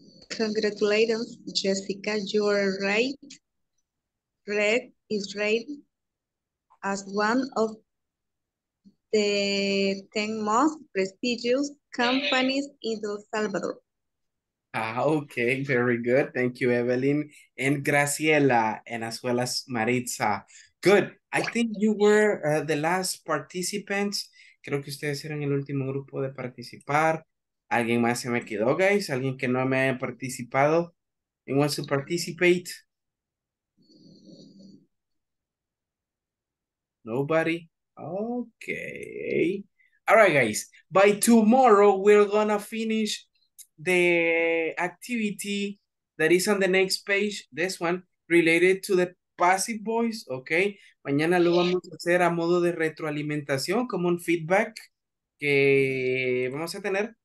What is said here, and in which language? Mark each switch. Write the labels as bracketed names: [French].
[English] Congratulations, Jessica. You are right. Red is rated as one of the 10 most prestigious companies in El Salvador. Okay, very good. Thank you, Evelyn and Graciela, and as well as Maritza. Good. I think you were the last participants. [Spanish] Creo que ustedes eran el último grupo de participar. ¿Alguien más se me quedó, guys? ¿Alguien que no me haya participado? ¿Alguien [English] wants to participate? Nobody? Okay. All right, guys. By tomorrow, we're going to finish the activity that is on the next page, this one, related to the passive voice, okay? [Spanish] Mañana lo vamos a hacer a modo de retroalimentación, como un feedback que vamos a tener.